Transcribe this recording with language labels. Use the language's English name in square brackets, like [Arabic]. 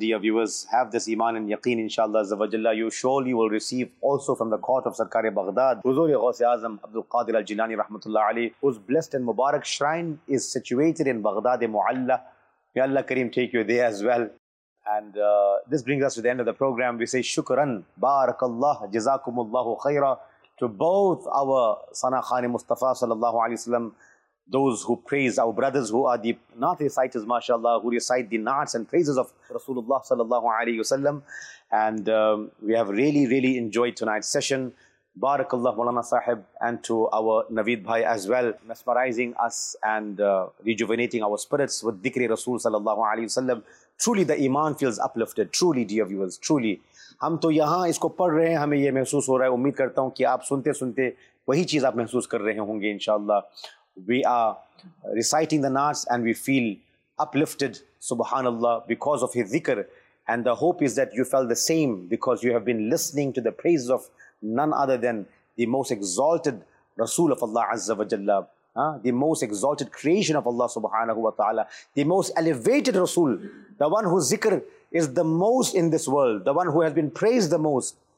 [English] Dear viewers, have this ایمان and یقین ان شاء اللہ عز و جل you surely will receive also from the court of Sarkar Baghdad حضور غوث اعظم عبد القادر الجیلانی رحمۃ اللہ علیہ, ہوز بلیسڈ اینڈ مبارک shrine is situated in Baghdad معلا. مے اللہ کریم take you there as well. And this brings us to the end of the programme. We say شکرن بارک اللہ جزاکم اللہ خیرا ٹو بوتھ اور ثنا خان مصطفیٰ صلی اللہ علیہ وسلم, those who praise our brothers who are the naat reciters, mashallah, who recite the naats and praises of Rasulullah sallallahu alayhi wa sallam. And we have really, really enjoyed tonight's session. Barakallah Mawlana Sahib, and to our Naveed Bhai as well, mesmerizing us and rejuvenating our spirits with Dikri Rasul sallallahu alayhi wa sallam. Truly the iman feels uplifted, truly dear viewers, truly. [Urdu] ہم تو یہاں اس کو پڑھ رہے ہیں, ہمیں یہ محسوس ہو رہا ہے. امید کرتا ہوں کہ آپ سنتے سنتے وہی چیز آپ محسوس کر رہے ہوں گے انشاءاللہ. [English] We are reciting the Naats and we feel uplifted, subhanallah, because of his dhikr. And the hope is that you felt the same because you have been listening to the praises of none other than the most exalted Rasul of Allah Azza wa Jalla, the most exalted creation of Allah subhanahu wa ta'ala, the most elevated Rasul, the one whose dhikr is the most in this world, the one who has been praised the most.